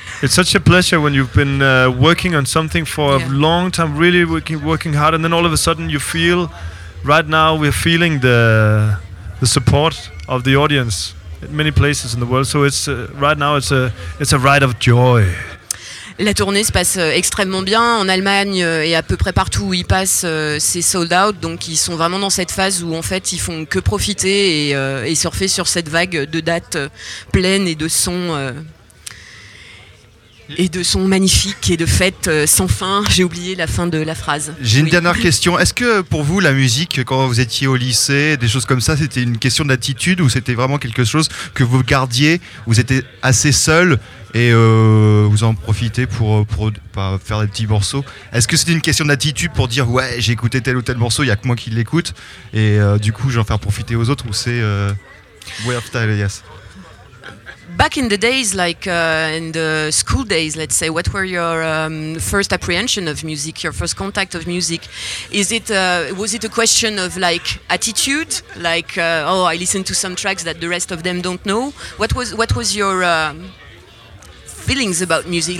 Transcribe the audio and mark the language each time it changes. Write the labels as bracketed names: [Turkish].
[English] It's such a pleasure when you've been working on something for a long time, really working hard, and then all of a sudden you feel, right now we're feeling the support of the audience in many places in the world. So it's right now it's a ride of joy. [French] La tournée se passe extrêmement bien en Allemagne et à peu près partout où ils passent, c'est sold out. Donc ils sont vraiment dans cette phase où en fait ils font que profiter et surfer sur cette vague de dates pleines et de sons. Et de son magnifique et de fête sans fin. J'ai oublié la fin de la phrase. J'ai une dernière question. Est-ce que pour vous, la musique, quand vous étiez au lycée, des choses comme ça, c'était une question d'attitude ou c'était vraiment quelque chose que vous gardiez? Vous étiez assez seul et vous en profitez pour faire des petits morceaux. Est-ce que c'était une question d'attitude pour dire « Ouais, j'ai écouté tel ou tel morceau, il n'y a que moi qui l'écoute. » Et du coup, j'en faire profiter aux autres ou c'est « [English] Way of style, yes ». Back in the days, like in the school days, let's say, what were your first apprehension of music, your first contact of music? Was it a question of like attitude, like oh, I listen to some tracks that the rest of them don't know? What was your feelings about music?